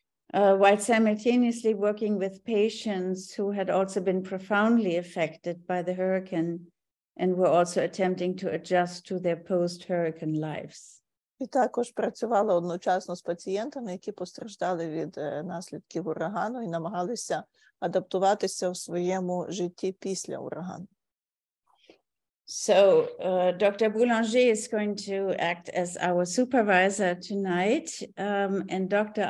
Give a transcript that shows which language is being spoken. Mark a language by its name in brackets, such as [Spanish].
[English] While simultaneously working with patients who had also been profoundly affected by the hurricane, and were also attempting to adjust to their post-hurricane lives. [Ukrainian] І також працювала одночасно з пацієнтами, які постраждали від наслідків урагану і намагалися адаптуватися в своєму житті після урагану. [English] So, Dr. Boulanger is going to act as our supervisor tonight, and Dr.